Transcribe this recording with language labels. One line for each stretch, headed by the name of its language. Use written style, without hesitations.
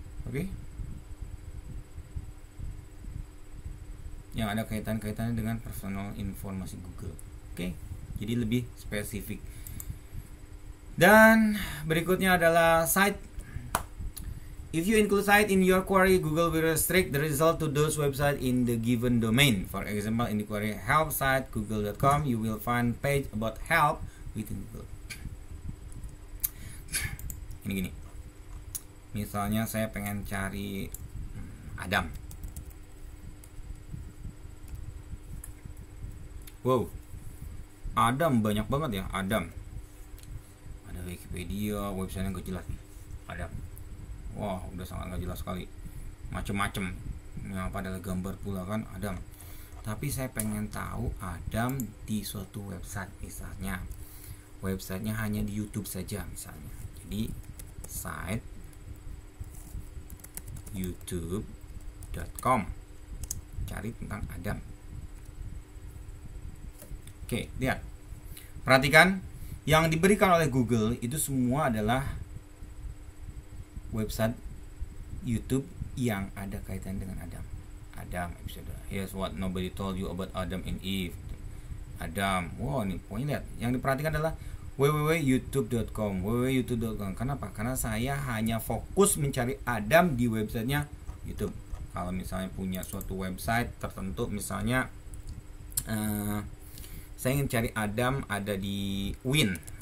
Indonesian: Oke. Yang ada kaitan-kaitannya dengan personal informasi Google. Oke. Jadi lebih spesifik. Dan berikutnya adalah site.
English: If you include site in your query, Google will restrict the result to those website in the given domain. For example, in the query help site google.com, you will find page about help within Google.
Indonesian: Ini gini. Misalnya saya pengen cari Adam. Wow. Adam banyak banget ya, Adam. Ada Wikipedia, website yang gak jelas nih. Adam. Wah, udah sangat gak jelas sekali. Macem-macem. Nah, padahal gambar pula kan Adam. Tapi saya pengen tahu Adam di suatu website misalnya. Websitenya hanya di YouTube saja misalnya. Jadi site youtube.com. Cari tentang Adam. Oke, lihat. Perhatikan yang diberikan oleh Google itu semua adalah website YouTube yang ada kaitan dengan Adam. Adam episode.
English: Here's what nobody told you about Adam and Eve.
Indonesian: Adam. Wow, ini poinnya lihat. Yang diperhatikan adalah www.youtube.com. www.youtube.com. Kenapa? Karena saya hanya fokus mencari Adam di websitenya YouTube. Kalau misalnya punya suatu website tertentu, misalnya saya ingin cari Adam ada di Win.